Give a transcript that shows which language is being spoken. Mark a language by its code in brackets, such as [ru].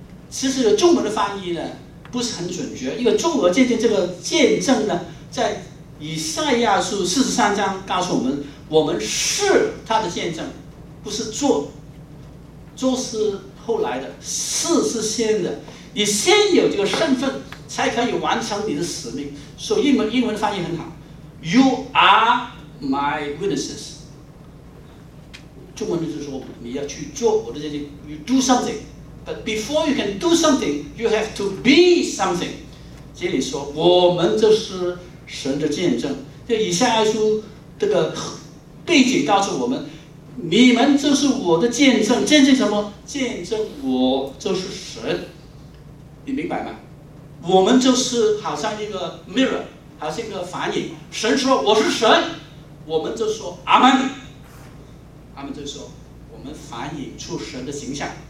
[zh] 其实中文的翻译呢不是很准确，因为中文见证这个见证呢，在以赛亚书四十三章告诉我们，我们是他的见证，不是做，做是后来的，是先的，你先有这个身份才可以完成你的使命。所以英文的翻译很好， [en] You are my witnesses， [zh] 中文就是说你要去做我的这些， [en] You do something， But before you can do something You have to be something。 [zh] 这里说我们这是神的见证，就以赛亚书这个背景告诉我们，你们这是我的见证。见证什么？见证我就是神，你明白吗？我们就是好像一个 mirror， 好像一个反影，神说我是神，我们就说阿们，他们就说我们反映出神的形象。